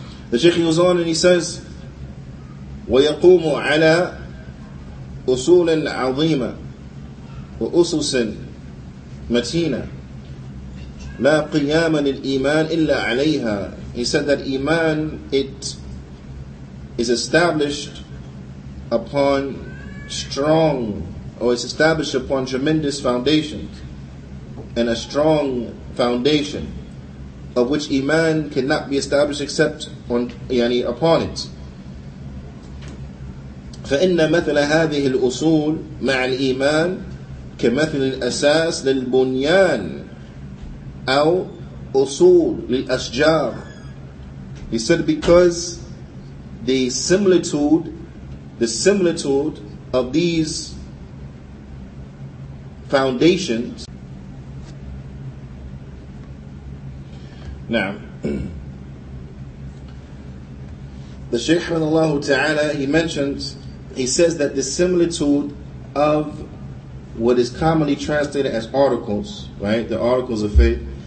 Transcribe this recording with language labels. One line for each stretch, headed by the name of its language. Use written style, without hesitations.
English: The Shaykh goes on and he says,
Arabic: وَيَقُومُ عَلَى أُصُولٍ عَظِيمًا وَأُسُسٍ مَتِينًا لا قيام للإيمان إلا عليها.
English: He said that Iman, it is established upon strong, or it's established upon tremendous foundations, and a strong foundation of which Iman cannot be established except upon it.
Arabic: فإن مثل هذه الأصول مع الإيمان كمثل الأساس للبنيان أو أصول للأشجار.
English: He said because the similitude of these foundations. Now, the Shaykh of Allah Ta'ala, he says that the similitude of what is commonly translated as articles, right? The articles of faith.